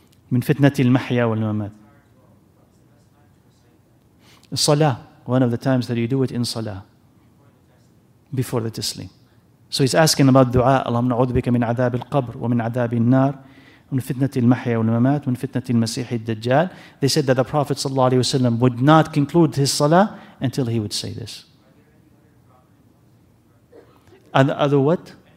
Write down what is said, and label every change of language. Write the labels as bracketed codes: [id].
[ar] من فتنة المحيا والممات. [en] Salah, one of the times that you do it in salah, before the taslim. So he's asking about dua. [ar] اللهم نعوذ بك من عذاب القبر ومن عذاب النار. من فتنة المحيا والممات من فتنة المسيح الدجال. [en] They said that the Prophet sallallahu alaihi wasallam would not conclude his salah until he would say this. And other what?